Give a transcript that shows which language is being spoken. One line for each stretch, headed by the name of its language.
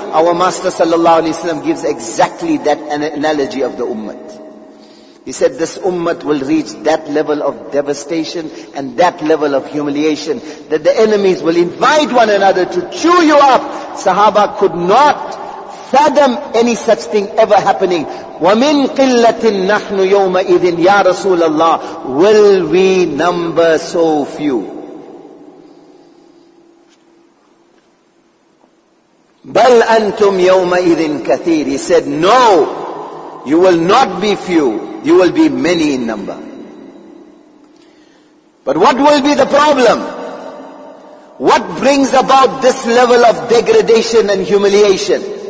English: Our Master sallallahu alaihi wasallam gives exactly that analogy of the ummah. He said, this ummah will reach that level of devastation and that level of humiliation that the enemies will invite one another to chew you up. Sahaba could not fathom any such thing ever happening.
Arabic: وَمِنْ قِلَّةٍ نَحْنُ يَوْمَئِذٍ يَا رَسُولَ اللَّهِ
English: will we number so few?
Arabic: بَلْ أَنْتُمْ يَوْمَئِذٍ كَثِيرٍ.
English: He said, no, you will not be few. You will be many in number. But what will be the problem? What brings about this level of degradation and humiliation?